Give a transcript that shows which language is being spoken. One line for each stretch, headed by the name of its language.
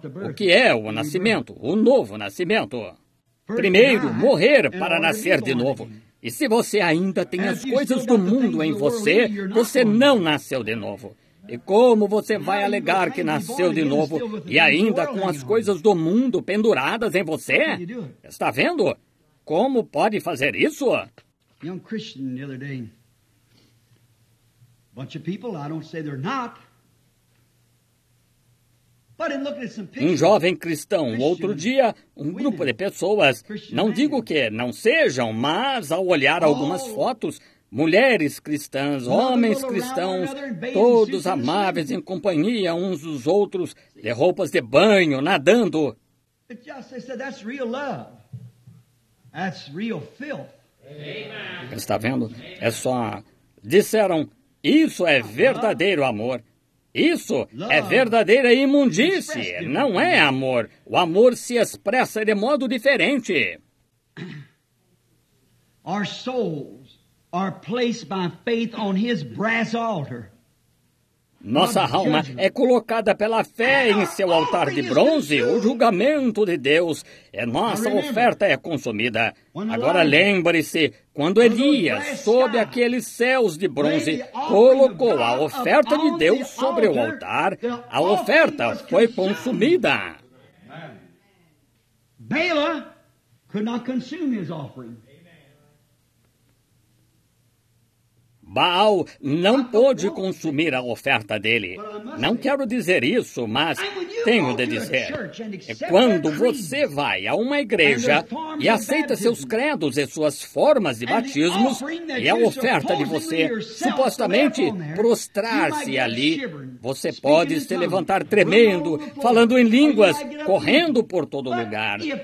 Portuguese: O que é o nascimento, o novo nascimento? Primeiro, morrer para nascer de novo. E se você ainda tem as coisas do mundo em você, você não nasceu de novo. E como você vai alegar que nasceu de novo e ainda com as coisas do mundo penduradas em você? Está vendo? Como pode fazer isso?
English: Young Christian, the other day. Bunch of people, I don't say they're not. But in looking at some pictures,
Portuguese: um jovem cristão, outro dia, um grupo de pessoas, não digo que não sejam, mas ao olhar algumas fotos, mulheres cristãs, homens cristãos, todos amáveis em companhia uns dos outros, de roupas de banho, nadando.
English: That's real love. That's real filth.
Portuguese: Amen. Está vendo? É só... Disseram... Isso é verdadeiro amor. Isso é verdadeira imundice. Não é amor. O amor se expressa de modo diferente.
English: Our souls are placed by faith on his brass altar.
Portuguese: Nossa alma é colocada pela fé em seu altar de bronze, o julgamento de Deus. E nossa oferta é consumida. Agora lembre-se, quando Elias, sob aqueles céus de bronze, colocou a oferta de Deus sobre o altar, a oferta foi consumida.
English: Bala could not consume his offering.
Portuguese: Baal não pôde consumir a oferta dele. Não quero dizer isso, mas tenho de dizer é quando você vai a uma igreja e aceita seus credos e suas formas de batismos e a oferta de você supostamente prostrar-se ali, você pode se levantar tremendo, falando em línguas, correndo por todo lugar.